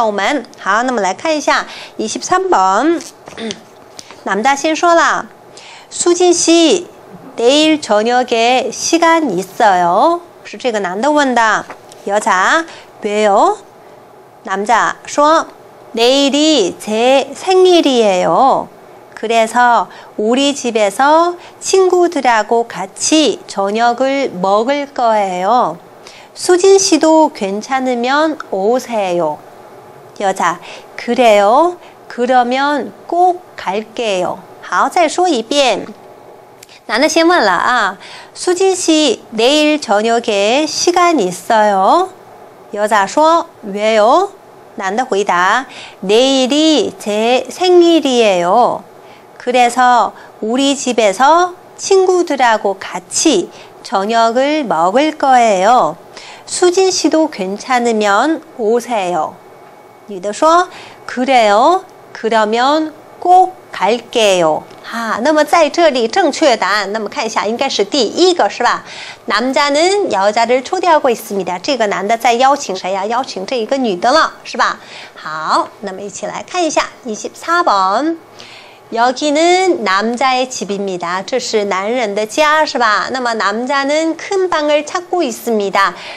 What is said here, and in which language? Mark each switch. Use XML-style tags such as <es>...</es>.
<zh>女的向这个男的介绍，소개하다，介绍谁呀？介绍自己的朋友们。好，那么来看一下 23번， 남자先说了，</zh> <ko>수진 씨, 내일 저녁에 시간 있어요?</ko> <zh>是这个男的问的。</zh> <ko>여자, 왜요? 남자说， 내일이 제 생일이에요. 그래서 우리 집에서 친구들하고 같이 저녁을 먹을 거예요. 수진 씨도 괜찮으면 오세요. 여자, 그래요? 그러면 꼭 갈게요.</ko> <zh>好，再说一遍。男的先问了啊，</zh> <ko>수진 씨, 내일 저녁에 시간 있어요? 여자说, 왜요?</ko> <zh>男的回答,</zh> <ko>내일이 제 생일이에요. 그래서 우리 집에서 친구들하고 같이 저녁을 먹을 거예요. 수진 씨도 괜찮으면 오세요.</ko> <zh>女的说,</zh> <ko>그래요? 그러면 꼭 갈게요.</ko> <zh>아, 那么在这里正确答案，那么看一下，应该是第一个是吧？</zh> <ko>남자는 여자를 초대하고 있습니다.</ko> <zh>这个男的在邀请谁呀？邀请这一个女的了，是吧？好，那么一起来看一下 24번。</zh> <ko>여기는 남자의 집입니다.</ko> <zh>这是男人的家，是吧？</zh> <ko>那么男자는 큰 방을 찾고 있습니다.</ko>